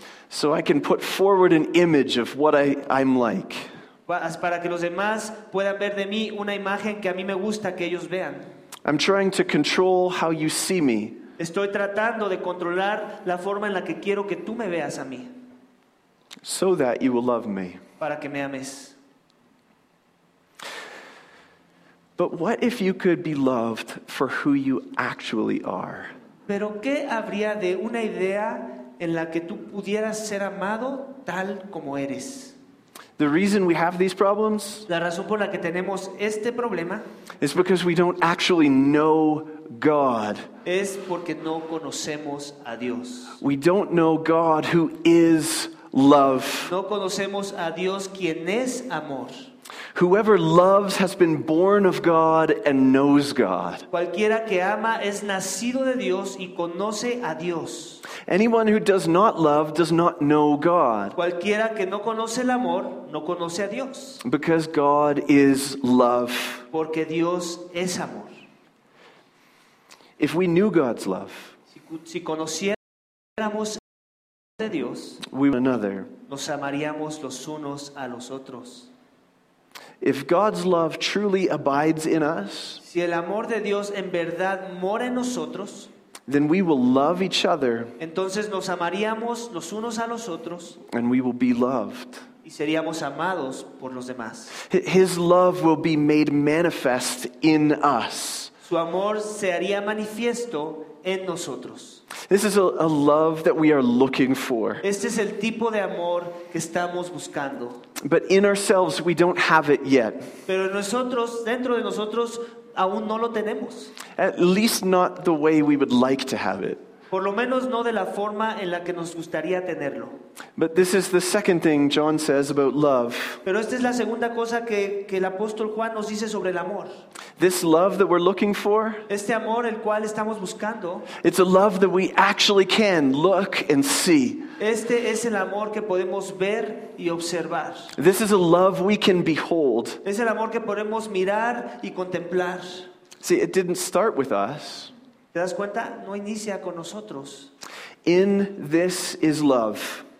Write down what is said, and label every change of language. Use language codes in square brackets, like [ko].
[en] So I can put forward an image of what I'm like. [es] Para que los demás puedan ver de mí una imagen que a mí me gusta que ellos vean. [en] I'm trying to control how you see me. [es] Estoy tratando de controlar la forma en la que quiero que tú me veas a mí. [en] So that you will love me. [es] Para que me ames. [en] But what if you could be loved for who you actually are? [es] Pero qué habría de una idea en la que tú pudieras ser amado tal como eres. [en] The reason we have these problems, [es] la razón por la que tenemos este problema, [en] is because we don't actually know God. [es] Es porque no conocemos a Dios. [en] We don't know God who is love. [es] No conocemos a Dios quien es amor. [en] Whoever loves has been born of God and knows God. [es] Cualquiera que ama es nacido de Dios y conoce a Dios. [en] Anyone who does not love does not know God. [es] Cualquiera que no conoce el amor no conoce a Dios. [en] Because God is love. [es] Porque Dios es amor. [en] If we knew God's love, [es] si conociéramos el amor de Dios, [en] we would another. [es] Nos amaríamos los unos a los otros. [en] If God's love truly abides in us, [es] si el amor de Dios en verdad mora en nosotros, [en] then we will love each other. [es] Entonces nos amaríamos los unos a los otros, [en] and we will be loved. [es] Y seríamos amados por los demás. [en] His love will be made manifest in us. [es] Su amor se haría manifiesto en nosotros. [en] This is a love that we are looking for. [es] Este es el tipo de amor que estamos buscando. [en] But in ourselves, we don't have it yet. [es] Pero nosotros, dentro de nosotros, aún no lo tenemos. [en] At least not the way we would like to have it. [es] Por lo menos no de la forma en la que nos gustaría tenerlo. [en] But this is the second thing John says about love. [es] Pero esta es la segunda cosa que el apóstol Juan nos dice sobre el amor. [en] This love that we're looking for. [es] Este amor el cual estamos buscando. [en] It's a love that we actually can look and see. [es] Este es el amor que podemos ver y observar. [en] This is a love we can behold. [es] Es el amor que podemos mirar y contemplar. [en] See, it didn't start with us. [es] ¿Te das cuenta? No inicia con nosotros. [en] In this is love.